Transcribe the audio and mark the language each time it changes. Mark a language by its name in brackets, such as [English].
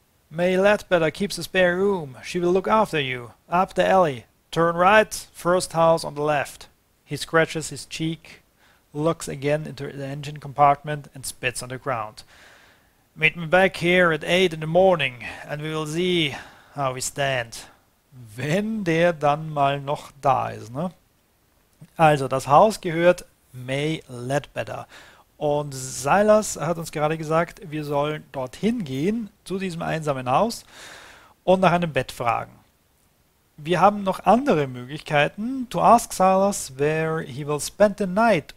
[English] May Ledbetter keeps a spare room. She will look after you. Up the alley. Turn right, first house on the left. He scratches his cheek, looks again into the engine compartment and spits on the ground. Meet me back here at 8 in the morning and we will see how we stand. [German] Wenn der dann mal noch da ist, ne? Also, das Haus gehört May Ledbetter. Und Silas hat uns gerade gesagt, wir sollen dorthin gehen, zu diesem einsamen Haus und nach einem Bett fragen. Wir haben noch andere Möglichkeiten. [English] To ask Silas where he will spend the night.